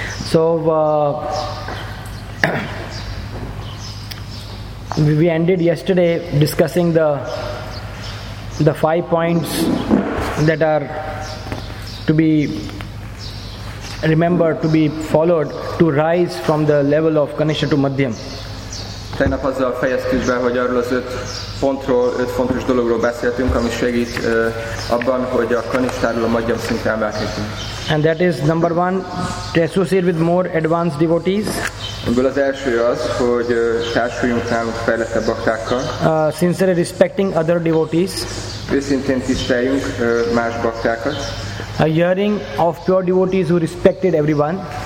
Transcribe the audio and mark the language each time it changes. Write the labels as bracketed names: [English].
[English] So we ended yesterday discussing the five points that are to be remembered, to be followed, to rise from the level of Kanishtha to Madhyam. [Hungarian] Tegnap azzal fejeztük be, hogy arról az öt fontos dologról beszéltünk, ami segít abban, hogy a Kanishtáról a Madhyam szintre emelkedjünk. [English] And that is number one, to associate with more advanced devotees. [Hungarian] Ebből az első az, hogy társuljunk nálunk fejlettebb baktákkal. [English] Sincerely respecting other devotees. [Hungarian] Őszintén tiszteljünk más baktákat. [English] A hearing of pure devotees who respected everyone.